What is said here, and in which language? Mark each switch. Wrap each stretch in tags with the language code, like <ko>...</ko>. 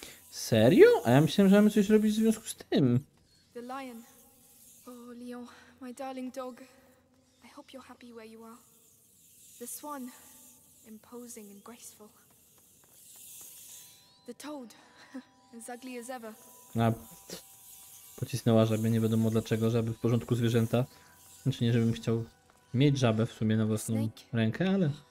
<pl>Serio? A ja myślałem, że mamy coś robić w związku z tym.</pl> <en>Lion. Oh, Leon, my darling dog. I hope you're happy where you are. The swan, imposing and graceful. The toad, as ugly as ever.</en> <pl>A, pocisnęła żabę, nie wiadomo dlaczego, żaby w porządku zwierzęta. Znaczy nie, żebym chciał mieć żabę w sumie na własną rękę, ale...</pl>